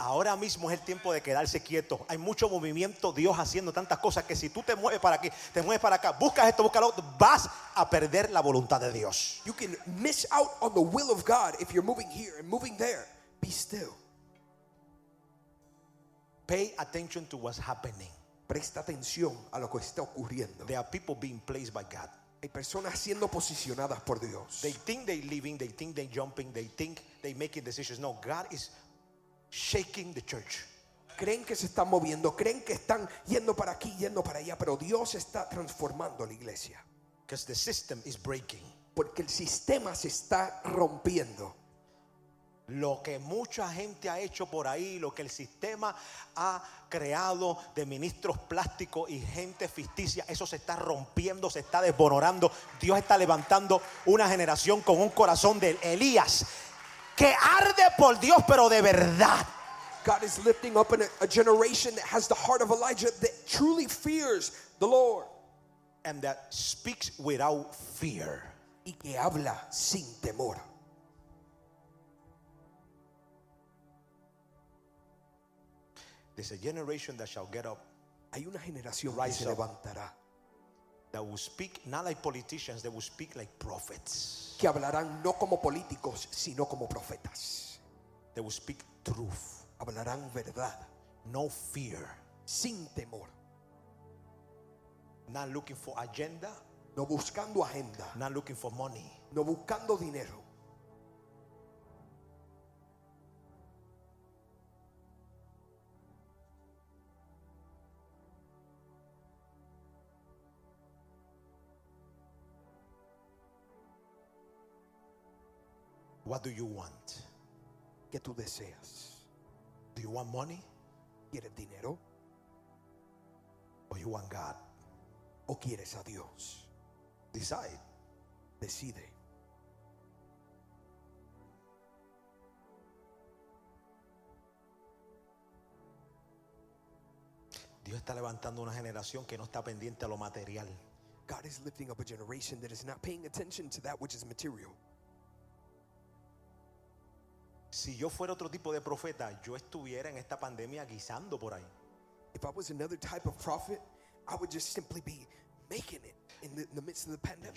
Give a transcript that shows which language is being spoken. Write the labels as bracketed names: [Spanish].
[Spanish] Ahora mismo es el tiempo de quedarse quieto. Hay mucho movimiento, Dios haciendo tantas cosas que si tú te mueves para aquí, te mueves para acá, buscas esto, buscas lo otro, vas a perder la voluntad de Dios. [English] You can miss out on the will of God if you're moving here and moving there. Be still. Pay attention to what's happening. [Spanish] Presta atención a lo que está ocurriendo. [English] There are people being placed by God. [Spanish] Hay personas siendo posicionadas por Dios. [English] They think they living, they think they jumping, they think they making decisions. No, God is shaking the church. [Spanish] Creen que se están moviendo, creen que están yendo para aquí, yendo para allá, pero Dios está transformando la iglesia. [English] Because the system is breaking. [Spanish] Porque el sistema se está rompiendo. Lo que mucha gente ha hecho por ahí, lo que el sistema ha creado de ministros plásticos y gente ficticia, eso se está rompiendo, se está desvalorando. Dios está levantando una generación con un corazón de Elías que arde por Dios, pero de verdad. [English] God is lifting up a generation that has the heart of Elijah that truly fears the Lord. And that speaks without fear. [Spanish] Y que habla sin temor. [English] There's a generation that shall get up. [Spanish] Hay una generación que se levantará. [English] that will speak not like politicians, they will speak like prophets. [Spanish] Que hablarán no como políticos, sino como profetas. [English] They will speak truth. [Spanish] Hablarán verdad. [English] No fear. [Spanish] Sin temor. [English] Not looking for agenda. [Spanish] No buscando agenda. [English] Not looking for money. [Spanish] No buscando dinero. [English] What do you want? [Spanish] ¿Qué tú deseas? [English] Do you want money? [Spanish] ¿Quieres dinero? [English] Or you want God? [Spanish] ¿O quieres a Dios? [English] Decide. [Spanish] Decide. Dios está levantando una generación que no está pendiente a lo material. [English] God is lifting up a generation that is not paying attention to that which is material. [Spanish] Si yo fuera otro tipo de profeta, yo estuviera en esta pandemia guisando por ahí. [English] If I was another type of prophet, I would just simply be making it in the midst of the pandemic.